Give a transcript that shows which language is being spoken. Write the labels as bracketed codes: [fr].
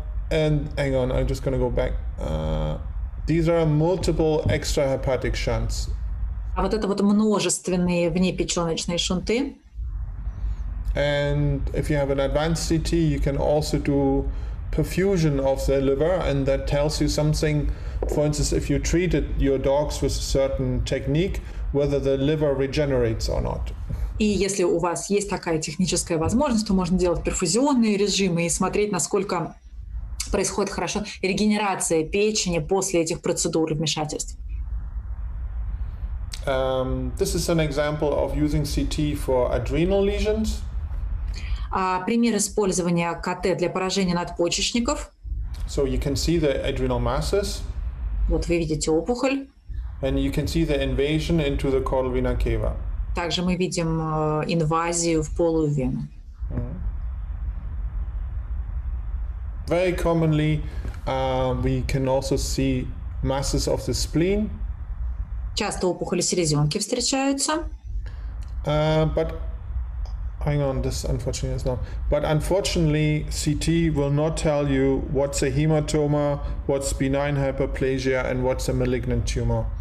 [en] And hang on, I'm just gonna go back. These are multiple extrahepatic shunts. [ru] А вот это вот множественные внепеченочные шунты. [en] And if you have an advanced CT, you can also do perfusion of the liver, and that tells you something. For instance, if you treated your dogs with a certain technique, whether the liver regenerates or not. [ru] И если у вас есть такая техническая возможность, то можно делать перфузионные режимы и смотреть, насколько происходит хорошо регенерация печени после этих процедур и вмешательств. [en] This is an example of using CT for adrenal lesions. [ru] Пример использования КТ для поражения надпочечников. [en] So you can see the adrenal masses. [ru] Вот вы видите опухоль. [en] And you can see the invasion into the caudal vena cava. [ru] Также мы видим инвазию в полую вену. [en] Very commonly, we can also see masses of the spleen. [ru] Часто опухоли селезенки встречаются. [en] But Hang on, this unfortunately is not. But unfortunately, CT will not tell you what's a hematoma, what's benign hyperplasia, and what's a malignant tumor.